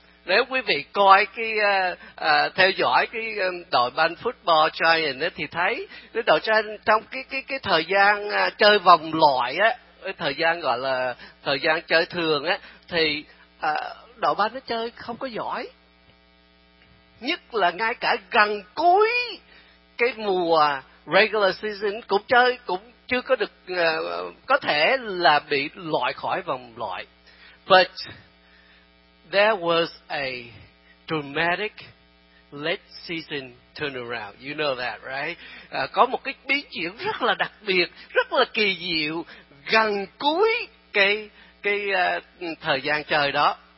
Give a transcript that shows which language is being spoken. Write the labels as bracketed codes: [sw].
[vi] Nếu quý vị coi cái theo dõi cái đội banh football Giants thì thấy cái đội Giants trong cái thời gian chơi vòng loại á, cái thời gian gọi là thời gian chơi thường á, thì đội banh nó chơi không có giỏi, nhất là ngay cả gần cuối cái mùa regular season cũng chơi cũng chưa có được, có thể là bị loại khỏi vòng loại. [en] But there was a dramatic late season turnaround. You know that, right? [vi] Có một cái biến chuyển rất là đặc biệt, rất là kỳ diệu gần cuối cái thời gian chơi đó.